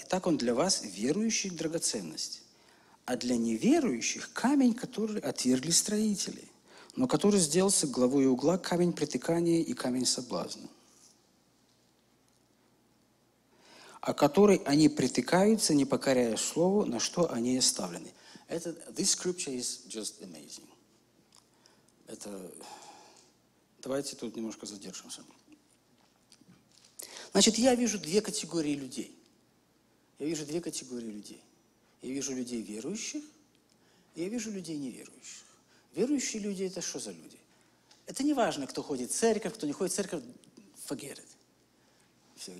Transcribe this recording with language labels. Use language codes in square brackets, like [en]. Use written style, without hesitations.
[ru] Итак, он для вас, верующих, драгоценность. А для неверующих камень, который отвергли строители, но который сделался главой угла, камень притыкания и камень соблазна. О которой они притыкаются, не покоряя слову, на что они оставлены. [en] Это, this scripture is just amazing. [ru] Это, давайте тут немножко задержимся. Значит, я вижу две категории людей. Я вижу людей верующих, и я вижу людей неверующих. Верующие люди — это что за люди? Это не важно, кто ходит в церковь, кто не ходит в церковь, [en] forget it.